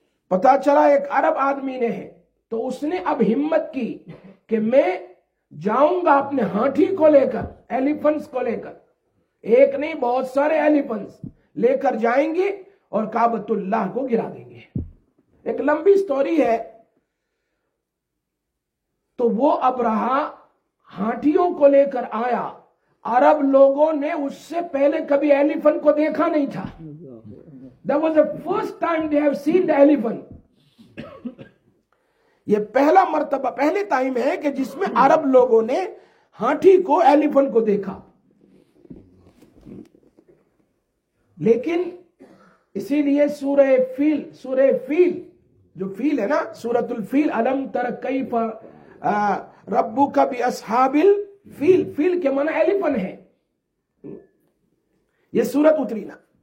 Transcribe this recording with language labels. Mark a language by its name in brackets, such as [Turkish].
[Hindi] पता चला एक अरब आदमी ने है, तो उसने अब हिम्मत की कि मैं जाऊंगा अपने हाथी को लेकर, एलिफेंट्स को लेकर, एक नहीं बहुत सारे एलिफेंट्स लेकर जाएंगे और काबतुल्लाह को गिरा देंगे। एक लंबी स्टोरी है। तो वो अब्रहा हाथियों को लेकर आया, अरब लोगों ने उससे पहले कभी एलिफेंट को देखा नहीं था। [English] That was the first time they have seen the elephant. [Hindi] ये पहला मर्तबा, पहले टाइम है कि जिसमें अरब लोगों ने हाथी को, एलिफेंट को देखा। लेकिन इसीलिए सूरह फील, सूरह फील जो फील है ना, सूरतुल फील, [Arabic] अलम तर कैफ रब्बुका बि अस्हाबिल फील, [Hindi] फील के माने एलिफेंट है ये सूरत उतरी ना।